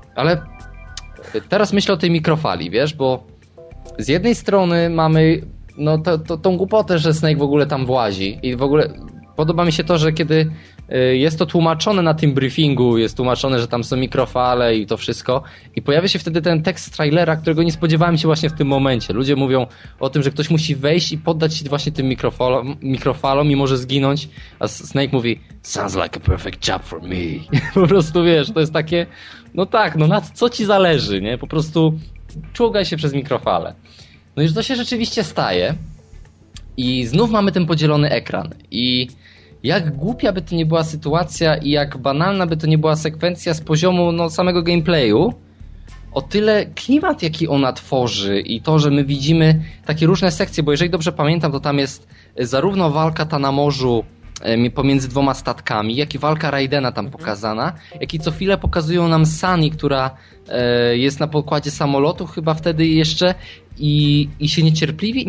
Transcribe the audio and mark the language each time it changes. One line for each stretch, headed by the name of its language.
Polish: Ale teraz myślę o tej mikrofali, wiesz, bo z jednej strony mamy, no, tą głupotę, że Snake w ogóle tam włazi i w ogóle podoba mi się to, że kiedy... Jest to tłumaczone na tym briefingu, jest tłumaczone, że tam są mikrofale i to wszystko. I pojawia się wtedy ten tekst z trailera, którego nie spodziewałem się właśnie w tym momencie. Ludzie mówią o tym, że ktoś musi wejść i poddać się właśnie tym mikrofalom i może zginąć. A Snake mówi,
English: sounds like a perfect job for me.
Polish: Po prostu wiesz, to jest takie, no tak, no na co ci zależy, nie? Po prostu czołgaj się przez mikrofale. No i to się rzeczywiście staje. I znów mamy ten podzielony ekran. I... Jak głupia by to nie była sytuacja i jak banalna by to nie była sekwencja z poziomu no, samego gameplayu, o tyle klimat, jaki ona tworzy i to, że my widzimy takie różne sekcje, bo jeżeli dobrze pamiętam, to tam jest zarówno walka ta na morzu pomiędzy dwoma statkami, jak i walka Raidena tam pokazana, jak i co chwilę pokazują nam Sunny, która jest na pokładzie samolotu chyba wtedy jeszcze i się niecierpliwi.